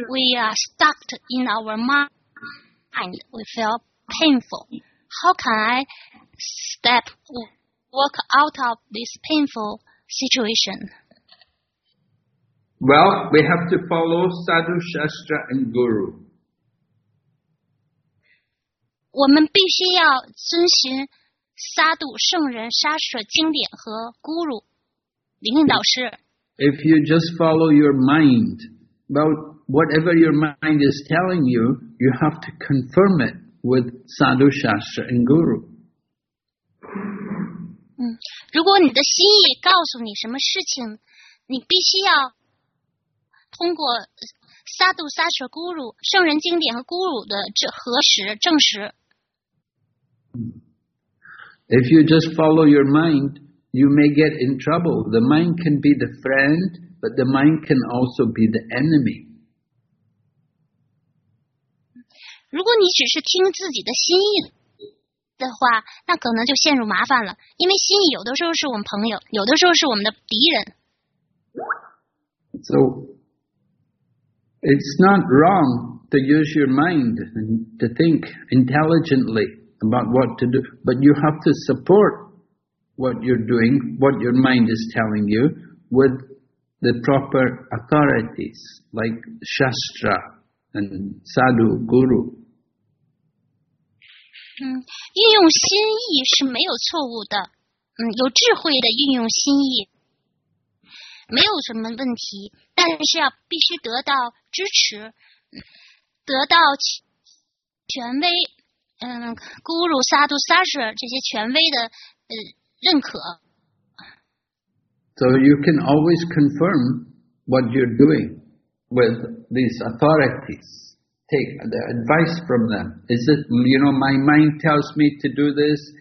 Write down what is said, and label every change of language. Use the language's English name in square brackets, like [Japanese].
[English] We are stuck in our mind. We feel painful. How can I step walk out of this painful situation? Well, we have to follow Sadhu Shastra and Guru. [Chinese] 我们必须要遵循沙杜圣人沙舍经典和 Guru 灵性导师。 [English] If you just follow your mind, well, whatever your mind is telling you, you have to confirm it with Sadhu Shastra and Guru. [Chinese] 如果你的心意告诉你什么事情，你必须要通过萨杜萨舍咕噜圣人经典和咕噜的核实证实。 [English] If you just follow your mind, you may get in trouble. The mind can be the friend, but the mind can also be the enemy. [Chinese] 如果你只是听自己的心意的话，那可能就陷入麻烦了，因为心意有的时候是我们朋友，有的时候是我们的敌人。 [English] So, it's not wrong to use your mind and to think intelligently about what to do, but you have to support what you're doing, what your mind is telling you, with the proper authorities like Shastra and Sadhu Guru. [Chinese] 运用心意是没有错误的，有智慧的运用心意没有什么问题，但是要必须得到支持，得到权威，咕噜萨杜萨舍这些权威的认可。 [English] So you can always confirm what you're doing with these authoritiesTake the advice from them. Is it, you know, my mind tells me to do this?